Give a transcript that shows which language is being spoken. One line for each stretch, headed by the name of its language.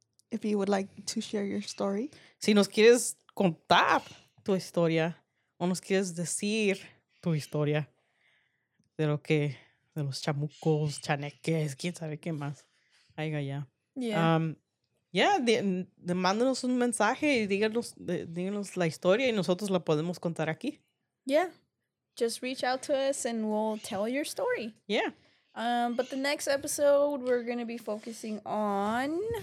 English: If you would like to share your story,
Spanish: si nos quieres contar tu historia o nos quieres decir tu historia de lo que de los chamucos, chaneques, quién sabe qué más haya allá.
English: Yeah,
Spanish: mándanos un mensaje y díganos la historia y nosotros la podemos contar aquí.
English: Yeah, just reach out to us and we'll tell your story. Yeah. But the next episode, we're going to be focusing on...